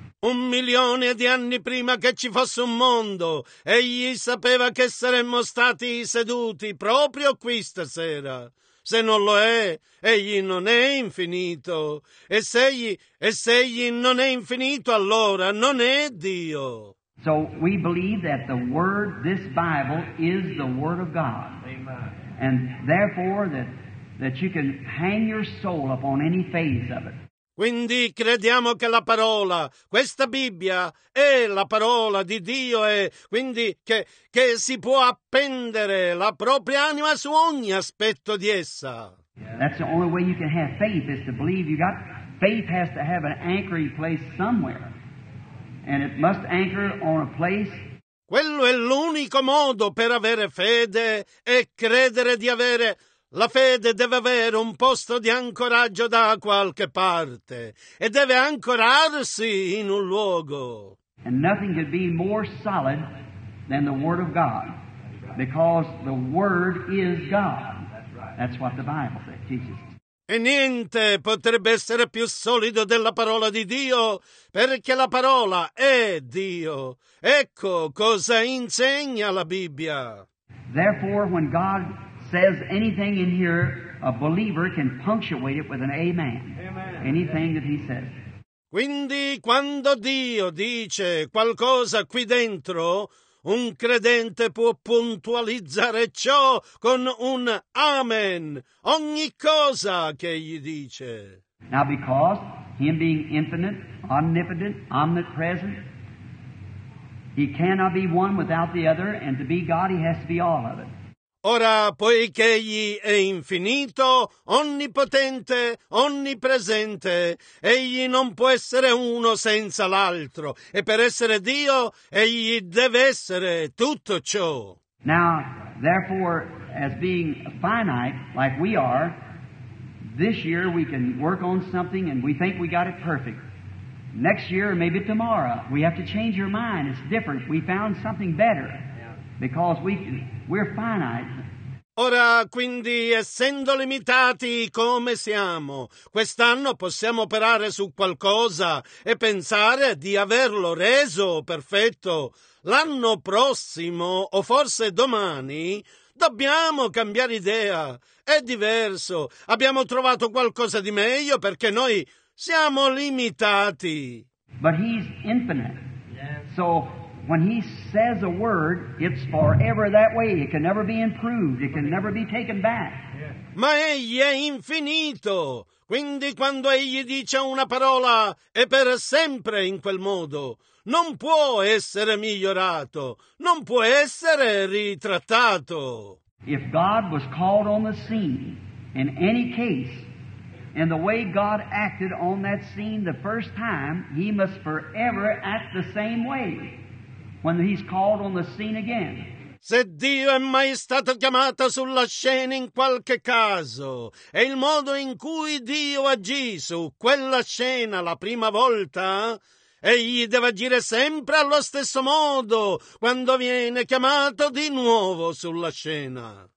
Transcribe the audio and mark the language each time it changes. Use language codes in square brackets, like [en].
[it] Un milione di anni prima che ci fosse un mondo, egli sapeva che saremmo stati seduti proprio qui stasera. Se non lo è, egli non è infinito. E se egli non è infinito, allora non è Dio. [en] So we believe that the word, this Bible, is the word of God. Amen. And therefore that you can hang your soul upon any phase of it. [it] Quindi crediamo che la parola, questa Bibbia, è la parola di Dio, e quindi che si può appendere la propria anima su ogni aspetto di essa. [en] That's the only way you can have faith, is to believe. You got faith has to have an anchoring place somewhere, and it must anchor on a place. [it] Quello è l'unico modo per avere fede, e credere di avere. La fede deve avere un posto di ancoraggio da qualche parte, e deve ancorarsi in un luogo. [en] And nothing could be more solid than the Word of God, because the Word is God. That's what the Bible says, teaches. [it] E niente potrebbe essere più solido della parola di Dio, perché la parola è Dio. Ecco cosa insegna la Bibbia. [en] Therefore, when God says anything in here, a believer can punctuate it with an amen. Amen. Anything that he says. [it] Quindi quando Dio dice qualcosa qui dentro, un credente può puntualizzare ciò con un amen, ogni cosa che gli dice. [en] Now because him being infinite, omnipotent, omnipresent, he cannot be one without the other, and to be God he has to be all of it. [it] Ora, poiché egli è infinito, onnipotente, onnipresente, egli non può essere uno senza l'altro. E per essere Dio, egli deve essere tutto ciò. [en] Now, therefore, as being finite, like we are, this year we can work on something and we think we got it perfect. Next year, maybe tomorrow, we have to change your mind. It's different. We found something better. Because we're finite. [it] Ora, quindi, essendo limitati come siamo, quest'anno possiamo operare su qualcosa e pensare di averlo reso perfetto. L'anno prossimo, o forse domani, dobbiamo cambiare idea. È diverso. Abbiamo trovato qualcosa di meglio, perché noi siamo limitati. [en] But he's infinite. So when he says a word, it's forever that way. It can never be improved. It can never be taken back. [it] Ma egli è infinito. Quindi quando egli dice una parola, è per sempre in quel modo. Non può essere migliorato. Non può essere ritrattato. [en] If God was called on the scene, in any case, and the way God acted on that scene the first time, he must forever act the same way. When he's called on the scene again. [it] Se Dio è mai stato chiamato sulla scena in qualche caso, e il modo in cui Dio agì su quella scena la prima volta, egli deve agire sempre allo stesso modo quando viene chiamato di nuovo sulla scena.